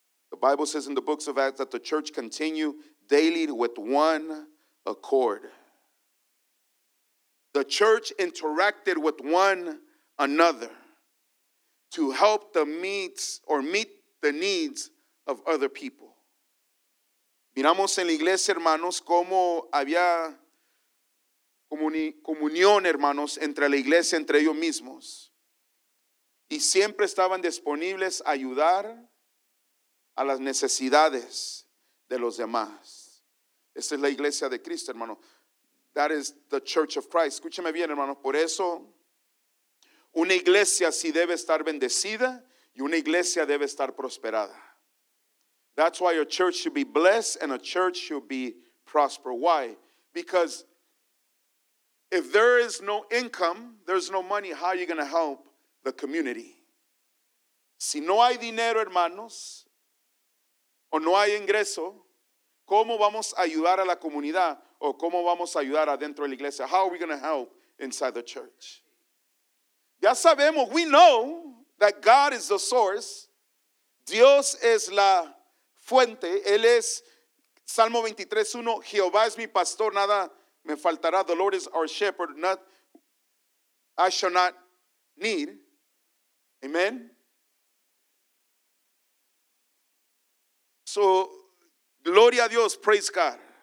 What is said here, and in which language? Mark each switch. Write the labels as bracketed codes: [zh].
[en] The Bible says in the books of Acts that the church continued daily with one accord. The church interacted with one another to help the needs or meet the needs of other people. [es] Miramos en la iglesia, hermanos, cómo había comunión, hermanos, entre la iglesia, entre ellos mismos. Y siempre estaban disponibles a ayudar a las necesidades de los demás. Esa es la iglesia de Cristo, hermano. [en] That is the church of Christ. [es] Escúcheme bien, hermano. Por eso, una iglesia sí debe estar bendecida Y una iglesia debe estar prosperada. [en] That's why a church should be blessed and a church should be prosper. Why? Because if there is no income, there's no money, how are you going to help the community? [es] Si no hay dinero, hermanos, o no hay ingreso, ¿cómo vamos a ayudar a la comunidad? ¿O cómo vamos a ayudar adentro de la iglesia? [en] How are we going to help inside the church? [es] Ya sabemos, [en] we know that God is the source. [es] Dios es la fuente. Él es, Salmo 23:1, Jehová es mi pastor, nada me faltará. [en] The Lord is our shepherd, not, I shall not need. Amen. [es] So, gloria a Dios, [en] praise God.